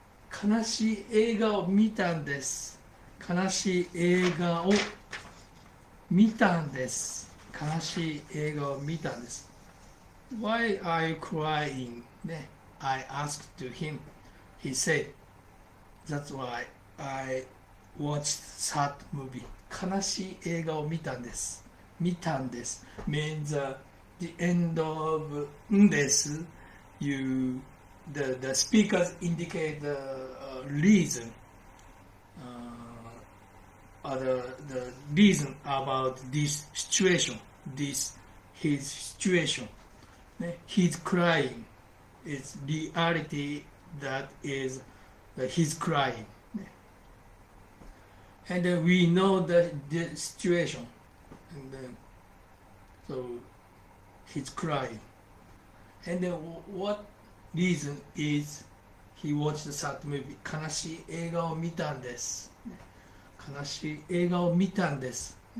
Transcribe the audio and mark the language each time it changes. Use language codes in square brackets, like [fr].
[ja] 悲しい映画を見たんです。悲しい映画を見たんです。悲しい映画を見たんです。 [en] Why are you crying? I asked to him. He said, That's why I watched sad movie. [ja] 悲しい映画を見たんです。見たんです。 [en] means the end of this. You, the speakers indicate the reason. The reason about this situation. His situation. He's crying. It's reality that is that he's crying. And we know the situation, and so he's crying. And what reason is he watched the sad movie? [ja] 悲しい映画を見たんです。悲しい映画を見たんです。